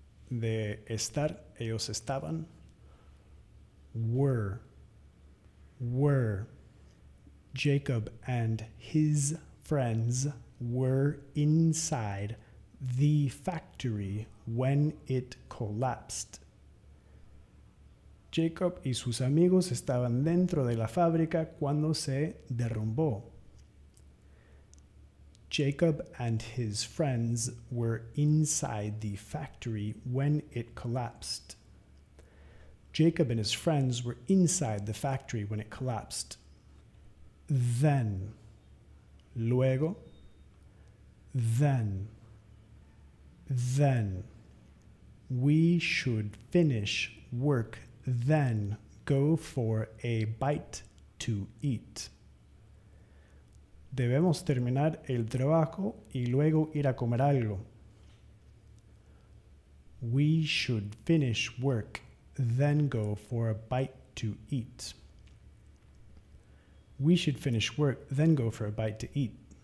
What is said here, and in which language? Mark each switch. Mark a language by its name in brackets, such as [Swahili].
[Spanish] De estar, ellos estaban. [English] Were. Were. Jacob and his friends were inside the factory when it collapsed. [Spanish] Jacob y sus amigos estaban dentro de la fábrica cuando se derrumbó. [English] Jacob and his friends were inside the factory when it collapsed. Jacob and his friends were inside the factory when it collapsed. Then. [Spanish] Luego. [English] Then. Then. We should finish work, then go for a bite to eat. [Spanish] Debemos terminar el trabajo y luego ir a comer algo. [English] We should finish work, then go for a bite to eat. We should finish work, then go for a bite to eat.